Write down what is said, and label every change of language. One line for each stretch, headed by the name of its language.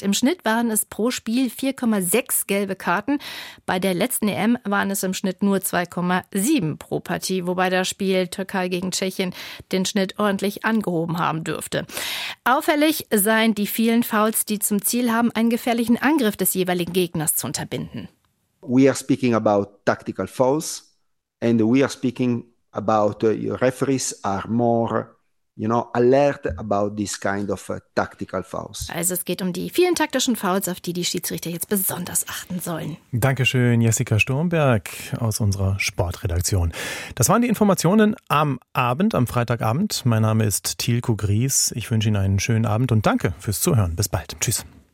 German: Im Schnitt waren es pro Spiel 4,6 gelbe Karten. Bei der letzten EM waren es im Schnitt nur 2,7 pro Partie, wobei das Spiel Türkei gegen Tschechien den Schnitt ordentlich angehoben haben dürfte. Auffällig seien die vielen Fouls, die zum Ziel haben, einen gefährlichen Angriff des jeweiligen Gegners zu unterbinden.
English: We are speaking about tactical fouls and we are speaking about referees are more, you know, alert about this kind of tactical fouls.
German: Also es geht um die vielen taktischen Fouls, auf die Schiedsrichter jetzt besonders achten sollen. Dankeschön, Jessica Sturmberg aus unserer Sportredaktion. Das waren die Informationen am Abend, am Freitagabend. Mein Name ist Thielko Gries. Ich wünsche Ihnen einen schönen Abend und danke fürs Zuhören. Bis bald. Tschüss.